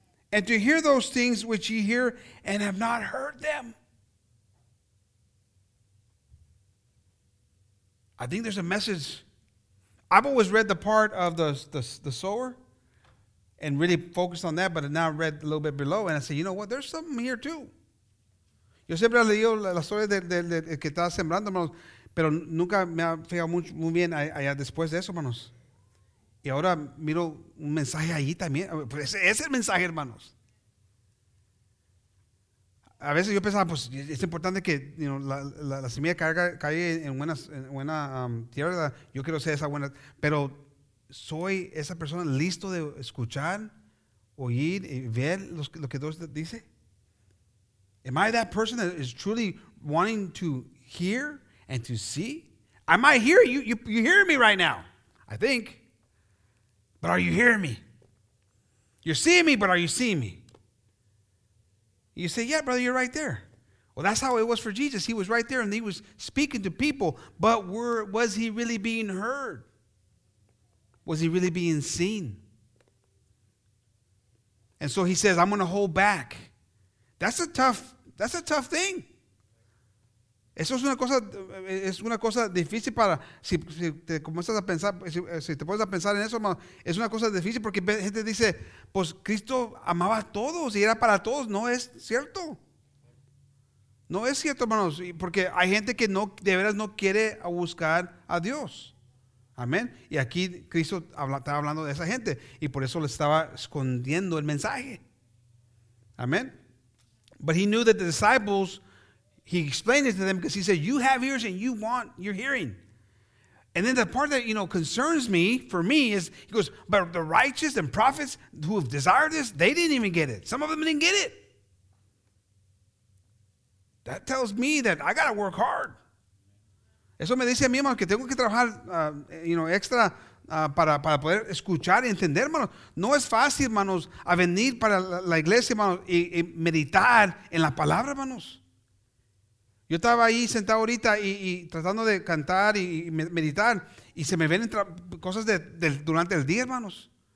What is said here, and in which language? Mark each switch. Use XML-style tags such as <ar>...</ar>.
<en>And to hear those things which ye hear and have not heard them. I think there's a message. I've always read the part of the sower and really focused on that, but now I read a little bit below, and I say, you know what? There's something here too.</en> <es>Yo siempre he leído la historia del que estaba sembrando, hermanos, pero nunca me ha fijado muy bien allá después de eso, hermanos. Y ahora miro un mensaje ahí también. Pues ese es el mensaje, hermanos. A veces yo pensaba, pues es importante que</es> <en>you know,</en> <es>la semilla caiga en buena tierra. Yo quiero ser esa buena. Pero soy esa persona listo de escuchar, oír y ver lo que Dios dice.</es> <en>Am I that person that is truly wanting to hear and to see? Am I hearing you? You hearing me right now? I think. But are you hearing me? You're seeing me, but are you seeing me? You say, yeah, brother, you're right there. Well, that's how it was for Jesus. He was right there and he was speaking to people, but was he really being heard? Was he really being seen? And so he says, I'm going to hold back. That's a tough thing.</en> <es>Eso es una cosa difícil para, si te comienzas a pensar, si te pones a pensar en eso, es una cosa difícil porque gente dice, pues Cristo amaba a todos y era para todos. No es cierto. No es cierto, hermanos, porque hay gente que no, de veras no quiere buscar a Dios. Amén. Y aquí Cristo estaba hablando de esa gente y por eso le estaba escondiendo el mensaje. Amén.</es> <en>But he knew that the disciples, he explained it to them because he said, you have ears and you want your hearing. And then the part that, you know, concerns me, for me, is he goes, but the righteous and prophets who have desired this, they didn't even get it. Some of them didn't get it. That tells me that I got to work hard.</en> <es>Eso me dice a mí, hermano, que tengo que trabajar,</es> <en>you know,</en> <es>extra para poder escuchar y entender, hermano. No es fácil, hermanos, a venir para la iglesia, hermano, y meditar en la palabra, hermanos. Yo estaba ahí sentado ahorita y tratando de cantar y meditar y se me ven cosas de durante el día, hermanos.</es>